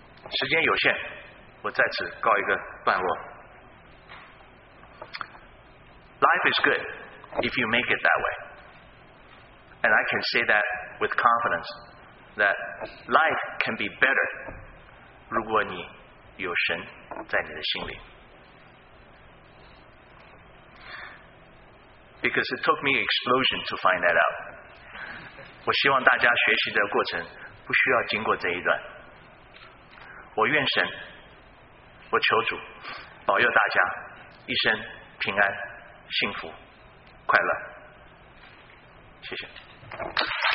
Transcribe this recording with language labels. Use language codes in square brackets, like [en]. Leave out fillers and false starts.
[zh] 时间有限，我在此告一个段落。 [en] Life is good if you make it that way. And I can say that with confidence that life can be better [zh] 如果你有神在你的心里。 [en] Because it took me an explosion to find that out. [zh] 我希望大家学习的过程不需要经过这一段。我愿神，我求主保佑大家一生平安、幸福、快乐。谢谢。